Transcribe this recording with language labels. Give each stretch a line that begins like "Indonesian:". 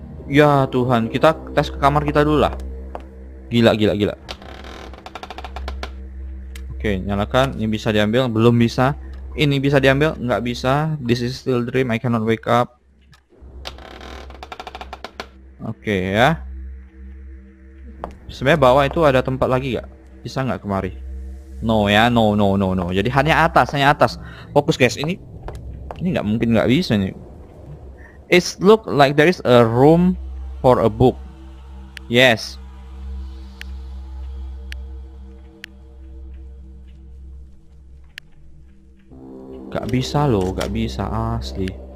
Indonesian: Ya Tuhan, kita tes ke kamar kita dulu lah. Gila. Oke, nyalakan. Ini bisa diambil, belum bisa. Ini bisa diambil, nggak bisa.
English: This is still dream, I cannot wake up.
Indonesian: Oke ya. Sebenarnya bawah itu ada tempat lagi nggak? Bisa nggak kemari? No. Jadi hanya atas. Fokus guys, ini nggak mungkin nggak bisa nih.
English: It look like there is a room for a book. Yes.
Indonesian: Gak bisa asli.